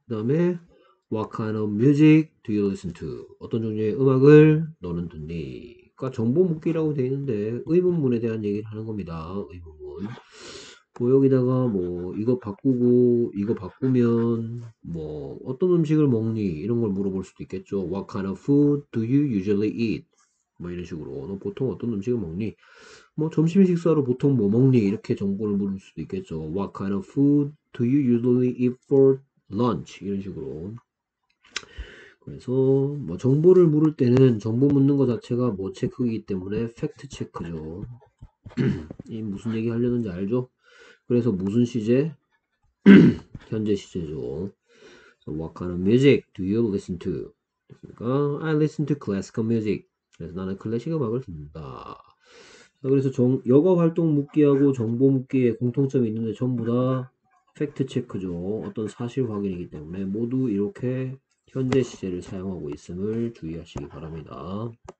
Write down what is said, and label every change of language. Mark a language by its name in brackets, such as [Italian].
[Korean] 그다음에 [English] What kind of music do you listen to? [Korean] 어떤 종류의 음악을 너는 듣니? 그러니까 정보 묻기라고 되어 있는데 의문문에 대한 얘기를 하는 겁니다. 의문문. 뭐 여기다가 뭐 이거 바꾸고 이거 바꾸면 뭐 어떤 음식을 먹니? 이런 걸 물어볼 수도 있겠죠. [English] What kind of food do you usually eat? [Korean] 뭐 이런 식으로 너 보통 어떤 음식을 먹니? 뭐 점심 식사로 보통 뭐 먹니? 이렇게 정보를 물을 수도 있겠죠. [English] What kind of food do you usually eat for lunch? [Korean] 이런 식으로. 그래서 뭐 정보를 물을 때는 정보 묻는 것 자체가 뭐 체크이기 때문에 팩트 체크죠. 이 무슨 얘기 하려는지 알죠? 그래서 무슨 시제? 현재 시제죠. [English] So what kind of music do you listen to? [Korean] 그러니까 [English] I listen to classical music. [Korean] 그래서 나는 클래식 음악을 듣는다. 그래서 여가 활동 묻기하고 정보 묻기에 공통점이 있는데 전부 다 팩트 체크죠. 어떤 사실 확인이기 때문에 모두 이렇게 현재 시제를 사용하고 있음을 주의하시기 바랍니다.